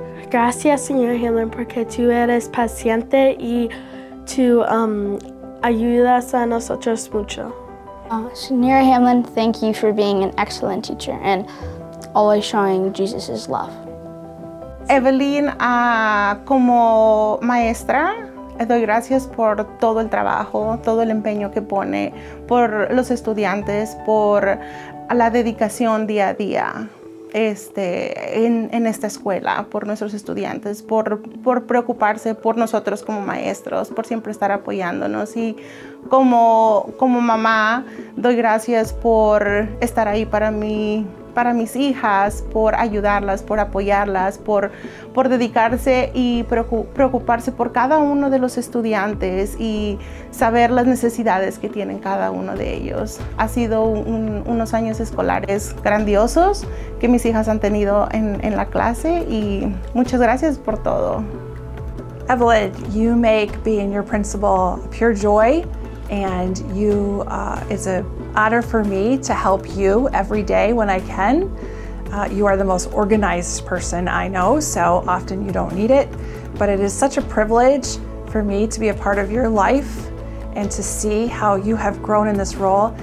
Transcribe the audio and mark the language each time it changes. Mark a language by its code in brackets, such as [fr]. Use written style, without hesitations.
[es] Gracias, Señora Hamlin, porque tú eres paciente y tú ayudas a nosotros mucho. [en] Señora Hamlin, thank you for being an excellent teacher and always showing Jesus' love. [es] Evelyn, como maestra, doy gracias por todo el trabajo, todo el empeño que pone, por los estudiantes, por la dedicación día a día en esta escuela, por nuestros estudiantes, por preocuparse por nosotros como maestros, por siempre estar apoyándonos. Y como mamá, doy gracias por estar ahí para mis hijas, por ayudarlas, por apoyarlas, por dedicarse y preocuparse por cada uno de los estudiantes y saber las necesidades que tienen cada uno de ellos. Ha sido unos años escolares grandiosos que mis hijas han tenido en la clase y muchas gracias por todo. [en] Evelyn, you make being your principal pure joy. And you, it's an honor for me to help you every day when I can. You are the most organized person I know, so often you don't need it. But it is such a privilege for me to be a part of your life and to see how you have grown in this role.